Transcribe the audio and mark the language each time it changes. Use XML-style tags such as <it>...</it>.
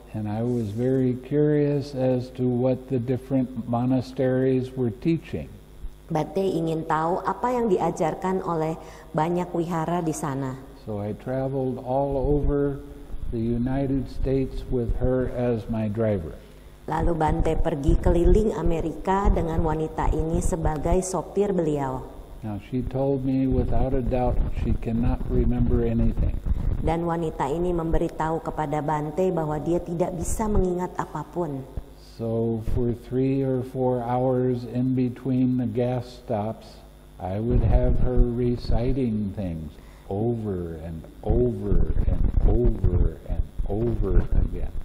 <en>And I was very curious as to what the different monasteries were teaching.</en> <ms>Bhante ingin tahu apa yang diajarkan oleh banyak wihara di sana.</ms> <en>So I traveled all over the United States with her as my driver.</en> <ms>Lalu Bhante pergi keliling Amerika dengan wanita ini sebagai sopir beliau.</ms> <en>Now she told me without a doubt she cannot remember anything.</en> <ms>Dan wanita ini memberitahu kepada Bhante bahwa dia tidak bisa mengingat apapun.</ms> <en>So for 3 or 4 hours in between the gas stops, I would have her reciting things over and over and over and over again.</en>